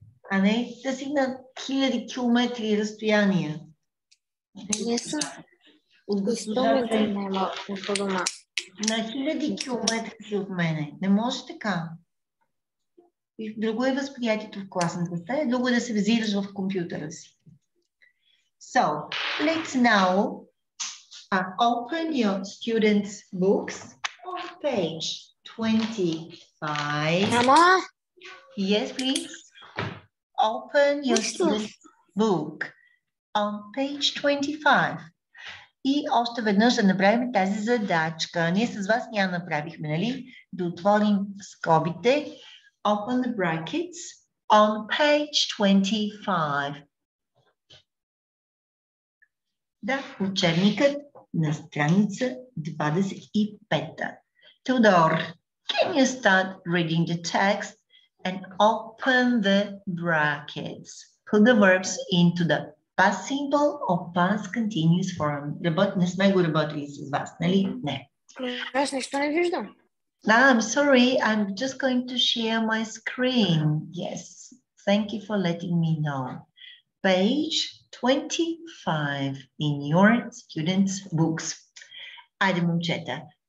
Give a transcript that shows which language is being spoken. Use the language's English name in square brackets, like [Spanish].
[Bulgarian] А не да си на хиляди километри разстояния. Не съм. От гостоме да има от дома. На хиляди километри си от мене. Не може така. И друго е възприятието в класната стая, друго е да се взираш в компютъра си. [English] So, let's now open your students' books on page 25. Mama? Yes, please. Open your students' book on page 25. [Bulgarian] И още веднъж да направим тази задачка. Ние с вас ня направихме, нали? Да отворим скобите. [English] Open the brackets on page 25. [Bulgarian] Да, учебникът на страница 25. [English] Теодор, can you start reading the text and open the brackets? Put the verbs into the past simple or past continuous form. [Bulgarian] Не сме го работили с вас, нали? Не. Аз нещо не виждам. [English] No, I'm sorry. I'm just going to share my screen. Yes. Thank you for letting me know. Page 25 in your student's books. [Bulgarian] Айде, момчета.